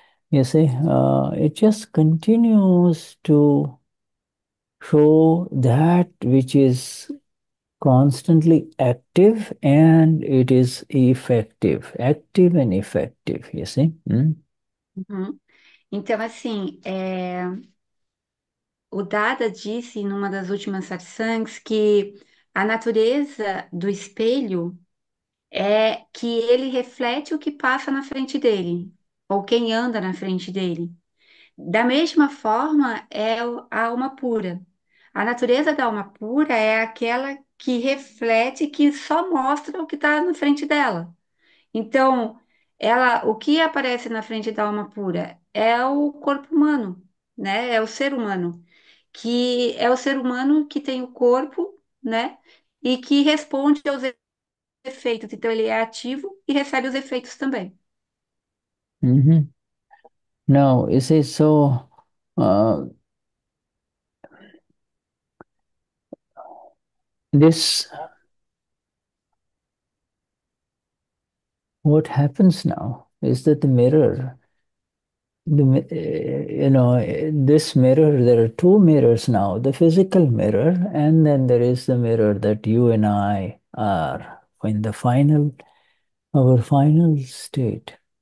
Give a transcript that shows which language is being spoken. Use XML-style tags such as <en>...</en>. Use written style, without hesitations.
<en>You see, it just continues to show that which is constantly active and it is effective, active and effective, you see?</en> <pt>Então, assim, o Dada disse numa das últimas satsangs que a natureza do espelho é que ele reflete o que passa na frente dele, ou quem anda na frente dele. Da mesma forma, é a alma pura. A natureza da alma pura é aquela que reflete, que só mostra o que está na frente dela. Então, o que aparece na frente da alma pura é o corpo humano, né? É o ser humano, que é o ser humano que tem o corpo, né? E que responde aos efeitos. Então, ele é ativo e recebe os efeitos também.</pt> <en>Now, you see, so this, what happens now is that this mirror, there are two mirrors now, the physical mirror, and then there is the mirror that you and I are in the final, our final state.</en>